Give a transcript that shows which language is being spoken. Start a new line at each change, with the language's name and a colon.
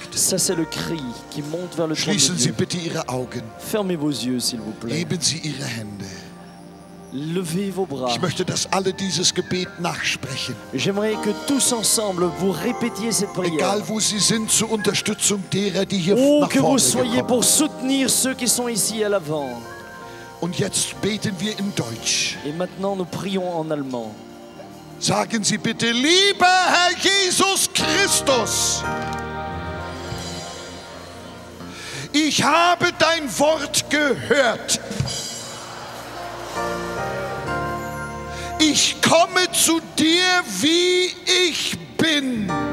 French: Ça c'est le cri qui monte vers le trône.
German: Schließen Sie bitte Ihre Augen.
French: Fermez vos yeux, s'il vous plaît.
German: Heben Sie Ihre Hände.
French: Levez vos bras.
German: Ich möchte, dass alle dieses Gebet nachsprechen.
French: J'aimerais que tous ensemble vous répétiez cette prière.
German: Egal wo Sie sind, zur Unterstützung derer, die hier nach vorne kommen.
French: Où que vous soyez, pour soutenir ceux qui sont ici à l'avant.
German: Und jetzt beten wir in Deutsch.
French: Et maintenant nous prions en allemand.
German: Sagen Sie bitte, lieber Herr Jesus Christus, ich habe dein Wort gehört. Ich komme zu dir, wie ich bin.